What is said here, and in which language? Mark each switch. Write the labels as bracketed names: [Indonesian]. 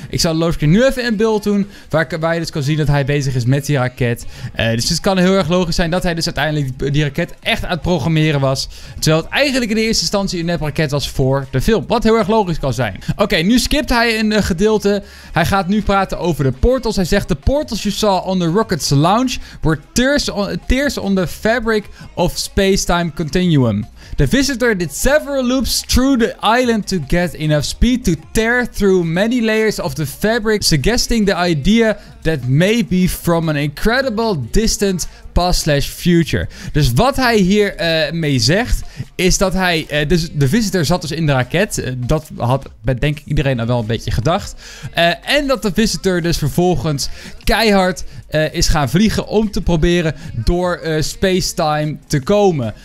[Dutch] Ik zal de loading screen nu even in beeld doen, waar je dus kan zien dat hij bezig is met die raket. Dus het kan heel erg logisch zijn dat hij dus uiteindelijk die raket echt aan het programmeren was, terwijl het eigenlijk in de eerste instantie een neppe raket was voor de film. Wat heel erg logisch kan zijn. Oké, nu skipt hij een gedeelte. Hij gaat nu praten over de portals. Hij zegt, [English] the portals you saw on the rocket's launch were tears on the fabric of space-time continuum. The visitor did several loops through the island to get enough speed to tear through many layers of the fabric, suggesting the idea that may be from an incredible distant past/future. [Dutch] Dus wat hij hier mee zegt, is dat hij... Dus de visitor zat dus in de raket. Dat had, denk ik, iedereen al wel een beetje gedacht. En dat de visitor dus vervolgens keihard is gaan vliegen om te proberen door spacetime te komen.